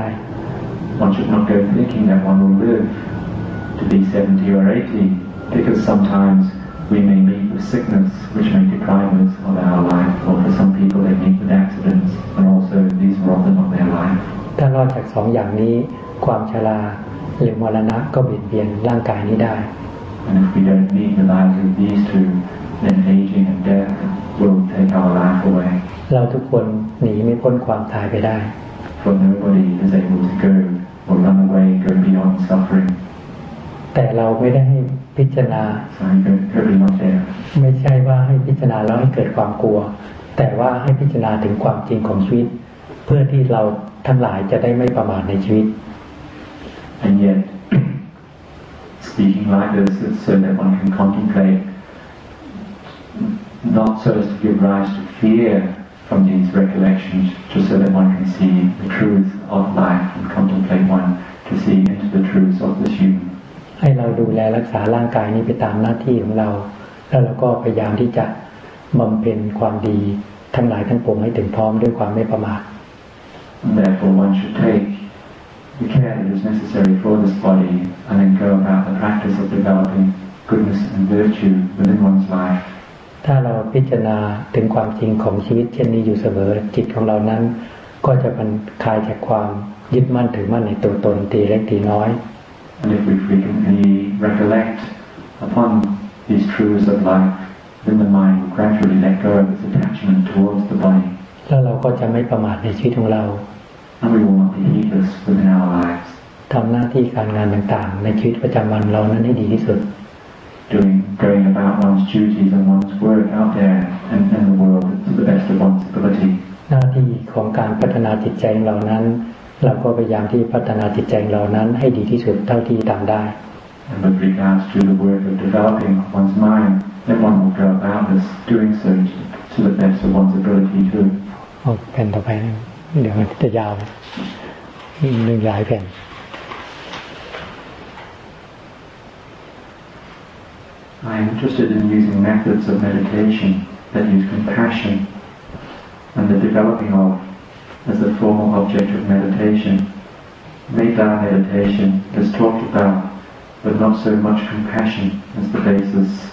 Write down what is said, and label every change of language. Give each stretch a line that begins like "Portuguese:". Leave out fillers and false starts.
English: One should not go thinking that one will liveTo be 70 or 80, because sometimes we may meet with sickness, which may deprive us of our life. Or for some people, they meet with accidents, and also these rob them of their life.
Thai: ถ้ารอดจากสองอย่างนี้ความชราหรือมรณะก็เปลี่ยนร่างกายนี้ได้
English: And if we don't meet the lives of these two, then aging and death will take our life away.
Thai: เราทุกคนหนีไม่พ้นความตายไปได้
English: For nobody is able to go or run away, go beyond suffering.
Thai: แต่เราไม่ได้ให้พิจารณา
English: Sorry, not there.
Thai: ไม่ใช่ว่าให้พิจารณาแล้วให้เกิดความกลัวแต่ว่าให้พิจารณาถึงความจริงของชีวิตเพื่อที่เราทั้งหลายจะได้ไม่ประมาทในชีวิต
English: And yet, speaking like this is so that one can contemplate, not so as to give rise to fear from these recollections, just so that one can see the truth of life and contemplate one to see into the truths of this human.
Thai: ให้เราดูแลรักษาร่างกายนี้ไปตามหน้าที่ของเราแล้วเราก็พยายามที่จะบำเพ็ญความดีทั้งหลายทั้งปวงให้ถึงพร้อมด้วยความไม่ประมาท
English: Therefore, one should take the care that is necessary for this body, and then go about the practice of developing goodness and virtue within one's life.
Thai: ถ้าเราพิจารณาถึงความจริงของชีวิตเช่นนี้อยู่เสมอจิตของเรานั้นก็จะคลายจากความยึดมั่นถือมั่นในตัวตนทีเล็กทีน้อย
English: And if we frequently recollect upon these truths of lifeThen the mind will gradually let go of its attachment towards the body.
Thai: แล้วเราก็จะไม่ประมาทในชีวิตของเรา
English: And we will not be heedless within our lives.
Thai: ทำหน้าที่การงานต่างๆในชีวิตประจำวันเรานั้นให้ดีที่สุด
English: Going about one's duties and one's work out there and in the world to the best of one's ability.
Thai: หน้าที่ของการพัฒนาจิตใจของเรานั้นเราก็พยายามที่พัฒนาจิตใจของเรานั้นให้ดีที่สุดเท่าที่ทำได้
English: And with regards to the work of developing one's mind, then one will go about this doing so to the best of one's ability too. Oh, pen to pen,
Thai: เดี๋ยวมันจะยาวหนึ่งหลายแผ่น
English: I am interested in using methods of meditation that use compassion and the developing of as a formal object of meditation. Metta meditation is talked about. But not so much compassion as the basis.